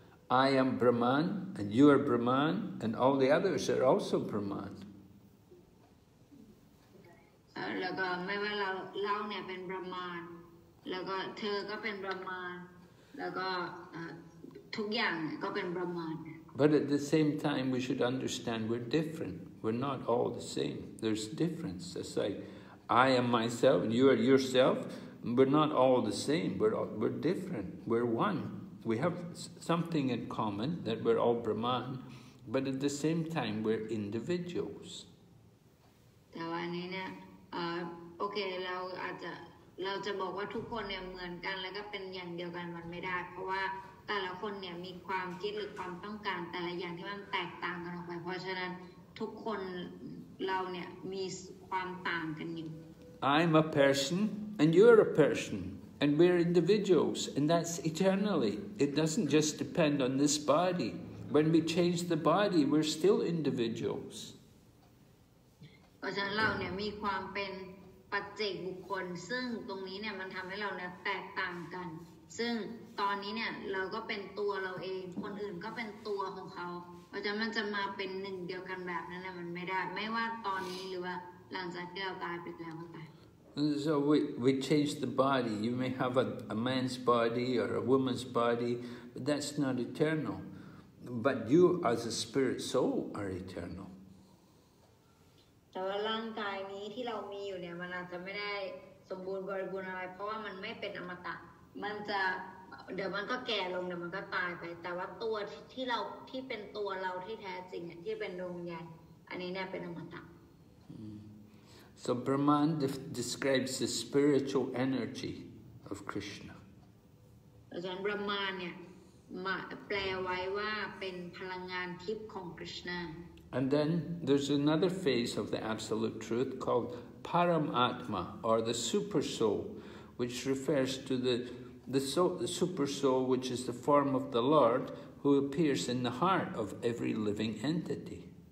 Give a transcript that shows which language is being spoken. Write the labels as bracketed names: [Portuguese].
[English] I am Brahman, and you are Brahman, and all the others are also Brahman. [Thai] แล้วก็ไม่ว่าเราเนี่ยเป็นประมาณแล้วก็เธอก็เป็นประมาณแล้วก็ทุกอย่างก็เป็นประมาณ [English] But at the same time we should understand we're different we're not all the same there's difference it's like I am myself you are yourself we're not all the same we're different we're one we have something in common that we're all Brahman but at the same time we're individuals [Thai] แต่วันนี้เนี่ยโอเคเราจะบอกว่าทุกคนเนี่ยเหมือนกันแล้วก็เป็นอย่างเดียวกันมันไม่ได้เพราะว่าแต่ละคนเนี่ยมีความคิดหรือความต้องการแต่ละอย่างที่มันแตกต่างกันออกไปเพราะฉะนั้นทุกคนเราเนี่ยมีความต่างกันอยู่ [English] I'm a person and you're a person and we're individuals and that's eternally it doesn't just depend on this body when we change the body we're still individuals [Thai] เพราะฉะนั้นเราเนี่ยมีความเป็นปัจเจกบุคคลซึ่งตรงนี้เนี่ยมันทำให้เราเนี่ยแตกต่างกันซึ่งตอนนี้เนี่ยเราก็เป็นตัวเราเองคนอื่นก็เป็นตัวของเขาเพราะฉะนั้นมันจะมาเป็นหนึ่งเดียวกันแบบนั้นเนี่ยมันไม่ได้ไม่ว่าตอนนี้หรือว่าหลังจากที่เราตายไปแล้วก็ตาย [English] So we change the body. You may have a man's body or a woman's body, but that's not eternal. But you as a spirit soul are eternal. [Thai] แต่ว่าร่างกายนี้ที่เรามีอยู่เนี่ยมันอาจจะไม่ได้สมบูรณ์บริบูรณ์อะไรเพราะว่ามันไม่เป็นอมตะมันจะเดี๋ยวมันก็แก่ลงเดี๋ยวมันก็ตายไปแต่ว่าตัวที่เราที่เป็นตัวเราที่แท้จริงเนี่ยที่เป็นดวงวิญญาณอันนี้เนี่ยเป็นอมตะ [English] So Brahman describes the spiritual energy of Krishna [Thai] ดังนั้น Brahman เนี่ยมาแปลไว้ว่าเป็นพลังงานทิพย์ของ Krishna [English] And then there's another phase of the Absolute Truth called Paramatma, or the Super Soul, which refers to the Super Soul, which is the form of the Lord, who appears in the heart of every living entity.